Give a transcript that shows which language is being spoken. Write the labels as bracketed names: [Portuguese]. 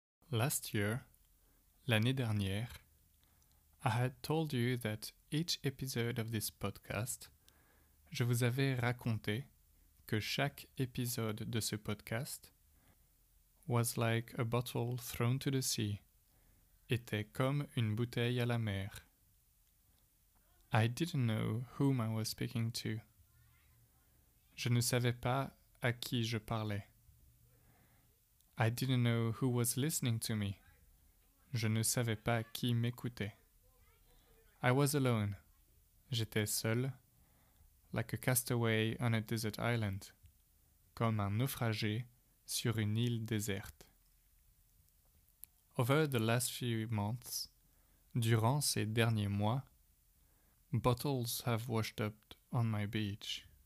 [English] Last year, [French] l'année dernière, [English] I had told you that each episode of this podcast, [French] je vous avais raconté que chaque épisode de ce podcast [English] was like a bottle thrown to the sea, [French] était comme une bouteille à la mer. [English] I didn't know whom I was speaking to. [French] Je ne savais pas à qui je parlais. [English] I didn't know who was listening to me. [French] Je ne savais pas qui m'écoutait. [English] I was alone. [French] J'étais seul, [English] like a castaway on a desert island, [French] comme un naufragé sur une île déserte. [English] Over the last few months, [French] durant ces derniers mois, [English] bottles have washed up on my beach.